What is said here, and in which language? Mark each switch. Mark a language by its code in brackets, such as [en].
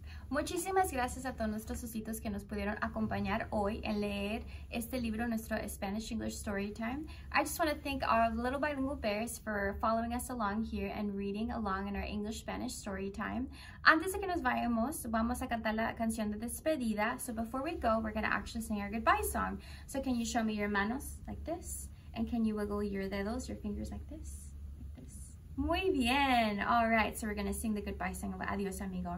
[es] Muchísimas gracias a todos nuestros ositos que nos pudieron acompañar hoy en leer este libro, nuestro Spanish English Storytime. [en] I just want to thank our little bilingual bears for following us along here and reading along in our English-Spanish Storytime. [es] Antes de que nos vayamos, vamos a cantar la canción de despedida. [en] So before we go, we're going to actually sing our goodbye song. So can you show me your [es] manos [en] like this? And can you wiggle your [es] dedos, [en] your fingers like this? [es] Muy bien. [en] All right. So we're going to sing the goodbye song of Adios Amigo.